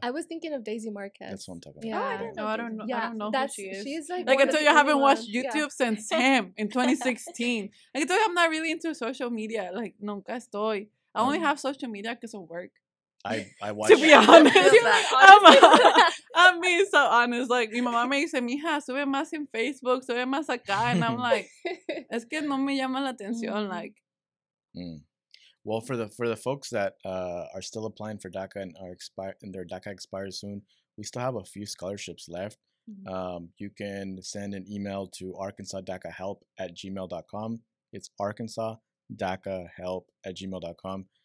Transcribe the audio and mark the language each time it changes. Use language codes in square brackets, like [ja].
[en] I was thinking of Daisy Marquez. That's what I'm talking about. Yeah. Oh, I don't know. I don't know who she is. She's like, I can tell you, I haven't watched YouTube since him in 2016. I can tell you, I'm not really into social media. Like, [es] nunca estoy. [en] I only have social media because of work. I watch. To be honest. I'm being so honest. [es] Like, mi mamá me dice, mija, sube más en Facebook, sube más acá. [en] And I'm like, [es] es que no me llama la atención. Like, [en] Well, for the folks that are still applying for DACA and their DACA expires soon, we still have a few scholarships left. Mm-hmm. You can send an email to arkansasdacahelp@gmail.com. It's arkansasdacahelp@gmail.com.